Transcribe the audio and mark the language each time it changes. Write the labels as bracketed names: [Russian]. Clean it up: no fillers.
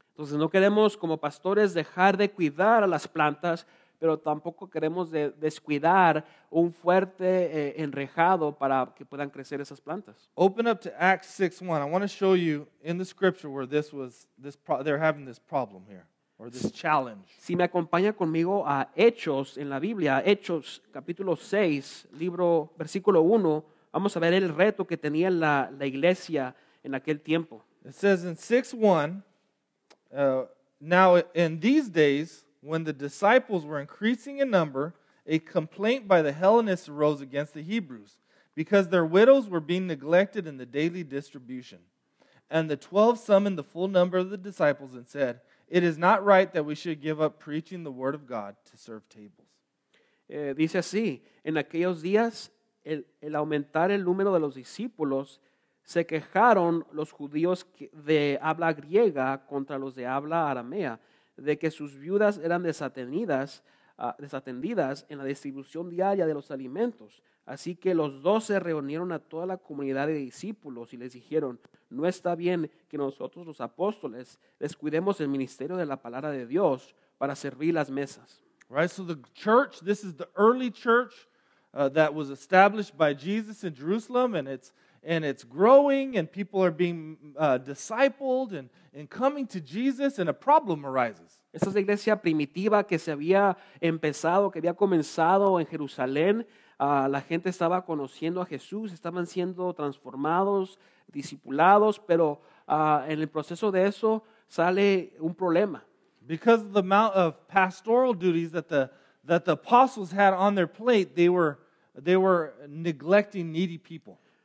[Spanish] Entonces no queremos como pastores dejar de cuidar a las plantas, pero tampoco queremos descuidar un fuerte enrejado para que puedan crecer esas plantas. [English] Open up to Acts 6:1. I want to show you in the scripture where they're having this problem here, or this challenge. [Spanish] Si me acompaña conmigo a Hechos en la Biblia, Hechos capítulo 6, libro versículo 1, vamos a ver el reto que tenía la iglesia en aquel tiempo. [English] It says in 6:1, now in these days, when the disciples were increasing in number, a complaint by the Hellenists arose against the Hebrews, because their widows were being neglected in the daily distribution. And the 12 summoned the full number of the disciples and said, "It is not right that we should give up preaching the word of God to serve tables." [Spanish] Dice así, en aquellos días, el aumentar el número de los discípulos, se quejaron los judíos de habla griega contra los de habla aramea, de que sus viudas eran desatendidas en la distribución diaria de los alimentos. Así que los 12 reunieron a toda la comunidad de discípulos y les dijeron, "No está bien que nosotros los apóstoles descuidemos el ministerio de la palabra de Dios para servir las mesas." [English] Right, so the church, this is the early church that was established by Jesus in Jerusalem, and it's growing, and people are being discipled and coming to Jesus, and a problem arises. [Spanish] Esa es la iglesia primitiva que se había empezado, que había comenzado en Jerusalén. La gente estaba conociendo a Jesús, estaban siendo transformados, discipulados, pero en el proceso de eso sale un problema. [English] Because of the amount of pastoral duties that the apostles had on their plate, they were neglecting needy people.